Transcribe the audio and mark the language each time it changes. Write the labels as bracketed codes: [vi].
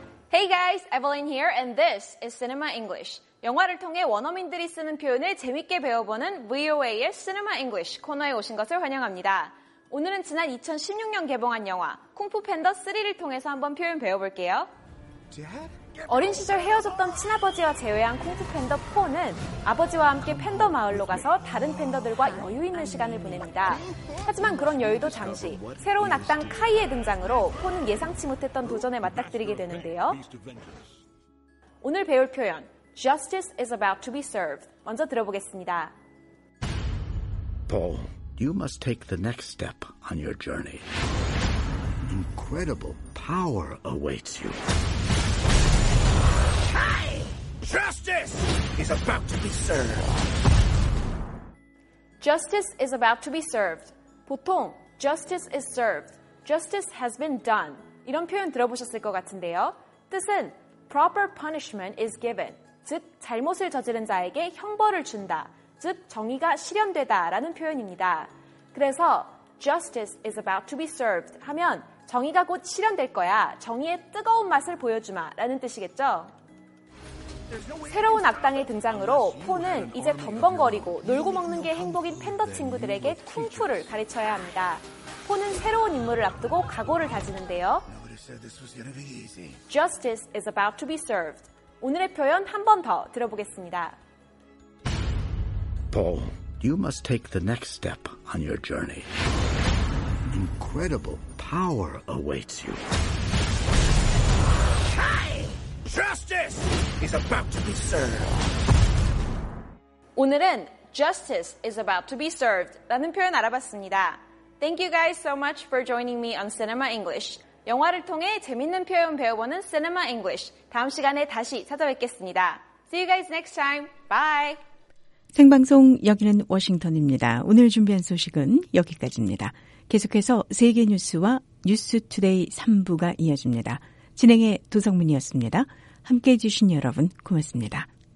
[en] Hey guys, Evelyn here and this is Cinema English. [ko] 영화를 통해 원어민들이 쓰는 표현을 재밌게 배워보는 VOA의 Cinema English 코너에 오신 것을 환영합니다. 오늘은 지난 2016년 개봉한 영화 쿵푸 팬더 3를 통해서 한번 표현 배워볼게요. 어린 시절 헤어졌던 친아버지와 재회한 쿵푸 팬더 4는 아버지와 함께 팬더 마을로 가서 다른 팬더들과 여유 있는 시간을 보냅니다. 하지만 그런 여유도 잠시 새로운 악당 카이의 등장으로 4는 예상치 못했던 도전에 맞닥뜨리게 되는데요. 오늘 배울 표현 [en] Justice is about to be served [ko] 먼저 들어보겠습니다. [en] Paul, you must take the next step on your journey. Incredible power awaits you. Justice is about to be served. Justice is about to be served. [ko] 보통 [en] justice is served, justice has been done [ko] 이런 표현 들어보셨을 것 같은데요. 뜻은 [en] proper punishment is given, [ko] 즉 잘못을 저지른 자에게 형벌을 준다, 즉 정의가 실현되다 라는 표현입니다. 그래서 [en] justice is about to be served [ko] 하면 정의가 곧 실현될 거야, 정의의 뜨거운 맛을 보여주마 라는 뜻이겠죠. 새로운 악당의 등장으로 포는 이제 덤벙거리고 놀고 먹는 게 행복인 팬더 친구들에게 쿵푸를 가르쳐야 합니다. 포는 새로운 임무를 앞두고 각오를 다지는데요. [en] Justice is about to be served. [ko] 오늘의 표현 한 번 더 들어보겠습니다. [en] Paul, you must take the next step on your journey. Incredible power awaits you. Justice is about to be served. [ko] 오늘은 [en] Justice is about to be served [ko] 라는 표현 알아봤습니다. [en] Thank you guys so much for joining me on Cinema English. [ko] 영화를 통해 재밌는 표현 배워보는 Cinema English. 다음 시간에 다시 찾아뵙겠습니다. [en] See you guys next time. Bye. [ko] 생방송 여기는 워싱턴입니다. 오늘 준비한 소식은 여기까지입니다. 계속해서 세계 뉴스와 뉴스 투데이 3부가 이어집니다. 진행의 도성민이었습니다. 함께해 주신 여러분 고맙습니다.